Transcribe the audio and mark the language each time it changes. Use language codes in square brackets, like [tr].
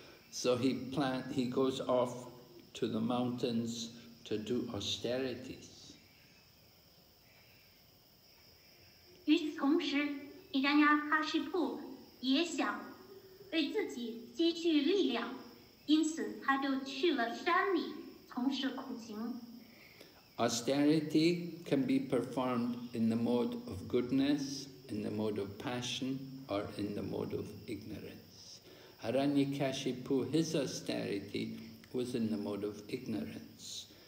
[en] So he goes off to the mountains to do austerities. [zh] 与此同时，伊扎尼亚哈希布也想为自己积蓄力量，因此他就去了山里从事苦行。 [en] Austerity can be performed in the mode of goodness, in the mode of passion, or in the mode of ignorance. Hiranyakashipu, his austerity was in the mode of ignorance.